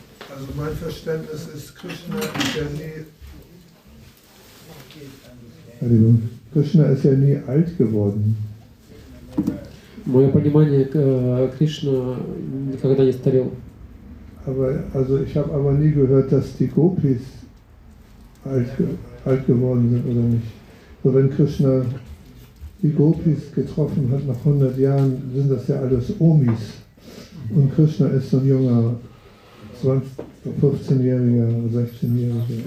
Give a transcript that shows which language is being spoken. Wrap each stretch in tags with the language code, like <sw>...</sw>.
<de>Also mein Verständnis ist, Krishna ist ja nie. Krishna ist ja nie alt geworden.</de> <ru>Мое понимание, Кришна никогда не старел.</ru> <de>Aber also ich habe aber nie gehört, dass die Gopis alt geworden sind oder nicht. So wenn Krishna die Gopis getroffen hat nach 100 Jahren, sind das ja alles Omis. Und Krishna ist so ein junger, 15-jähriger, 16-jähriger.</de>